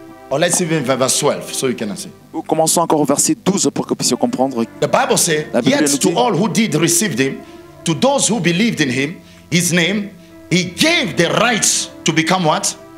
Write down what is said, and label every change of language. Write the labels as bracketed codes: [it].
[en] Or let's even verse 12 so you can see. [fr] Commençons encore au verset 12 pour que vous puissiez comprendre. [en] The Bible says, yet to all who did receive him, to those who believed in him, his name, he gave the right to become what?